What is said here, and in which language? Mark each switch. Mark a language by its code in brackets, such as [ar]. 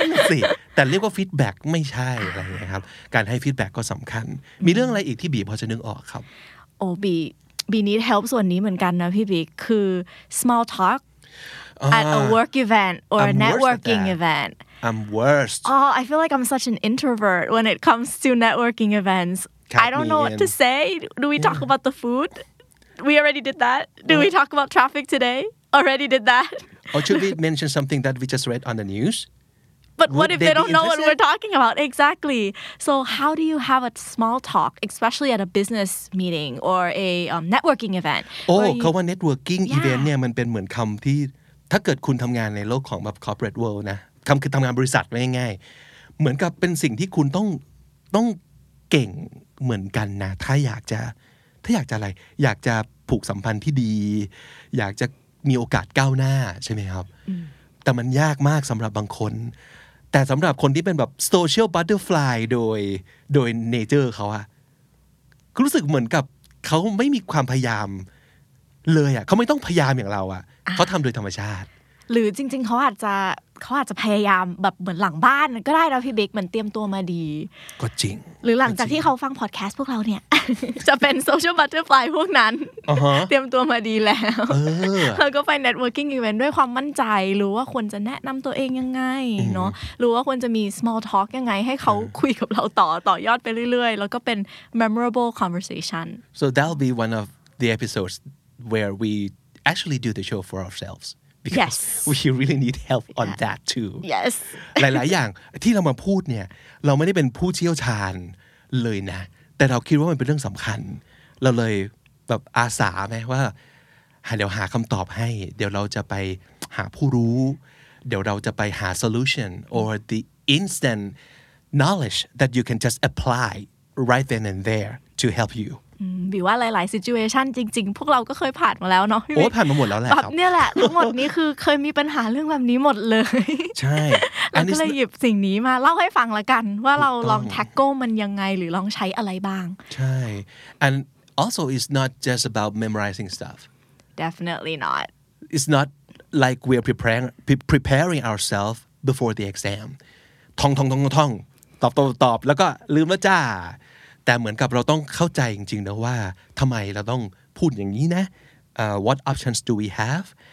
[th] สิแต่เรียกว่าฟีดแบ็กไม่ใช่อะไรนะครับการให้ฟีดแบ็กก็สำคัญมีเรื่องอะไรอีกที่บีพอจะนึกออกครับ [en] โอ้บี need help [th] ส่วนนี้เหมือนกันนะพี่บีคือ [en] small talk at a work event or a networking event I'm worst oh I feel like I'm such an introvert when it comes to networking events I don't know what to say do we talk about the food we already did that do we talk about traffic todayAlready did that. Or should we mention something that we just read on the news? But what if they don't know what we're talking about? Exactly. So how do you have a small talk, especially at a business meeting or a networking event? [th] Oh, เขาว่า networking event เนี่ยมันเป็นเหมือนคำที่ถ้าเกิดคุณทำงานในโลกของแบบ corporate world นะคำคือทำงานบริษัทไม่ง่ายเหมือนกับเป็นสิ่งที่คุณต้องเก่งเหมือนกันนะถ้าอยากจะ อะไรอยากจะผูกสัมพันธ์ที่ดีอยากจะมีโอกาสก้าวหน้าใช่ไหมครับแต่มันยากมากสำหรับบางคนแต่สำหรับคนที่เป็นแบบโซเชียลบัตเตอร์ฟลายโดยเนเจอร์เขาอะรู้สึกเหมือนกับเขาไม่มีความพยายามเลยอะเขาไม่ต้องพยายามอย่างเราอะเขาทำโดยธรรมชาติ หรือจริงๆเขาอาจจะพยายามแบบเหมือนหลังบ้านก็ได้นะพี่บิ๊กเหมือนเตรียมตัวมาดี ก็จริง หรือหลังจากที่เขาฟังพอดแคสต์พวกเราเนี่ยจะเป็นโซเชียลบัตเตอร์ฟลายพวกนั้นเตรียมตัวมาดีแล้วแล้วก็ไปเน็ตเวิร์กิ่งอีเวนต์ด้วยความมั่นใจรู้ว่าควรจะแนะนำตัวเองยังไงเนาะรู้ว่าควรจะมี small talk ยังไงให้เขาคุยกับเราต่อยอดไปเรื่อยๆแล้วก็เป็น memorable conversation [en] so that'll be one of the episodes where we actually do the show for ourselsBecause yes. we really need help on yeah. that too. Yes. [th] หลายๆอย่างที่เรามาพูดเนี่ยเราไม่ได้เป็นผู้เชี่ยวชาญเลยนะแต่เราคิดว่ามันเป็นเรื่องสำคัญเราเลยแบบอาสาไหมว่าเดี๋ยวหาคำตอบให้เดี๋ยวเราจะไปหาผู้รู้เดี๋ยวเราจะไปหา [en] solution or the instant knowledge that you can just apply right then and there to help you [th] บิวว่าหลายๆ situation จริงๆพวกเราก็เคยผ่านมาแล้วเน า ะ โอ้ผ่านมาหมดแล้วแหละ แบบเนี่ยแหละทั้งหมดนี้คือเคยมีปัญหาเรื่องแบบนี้หมดเลย ใช่ แล้วก็เลยหยิบสิ่งนี้มาเล่าให้ฟังละกันว่าเราลอง tackle มันยังไงหรือลองใช้อะไรบ้าง [en] ใช่ and also it's not just about memorizing stuff definitely not it's not like we're preparing ourselves before the exam [th] ท่องตอบแล้วก็ลืมแล้วจ้าแต่เหมือนกับเราต้องเข้าใจจริงๆนะว่าทำไมเราต้องพูดอย่างนี้นะ [en] What options do we have?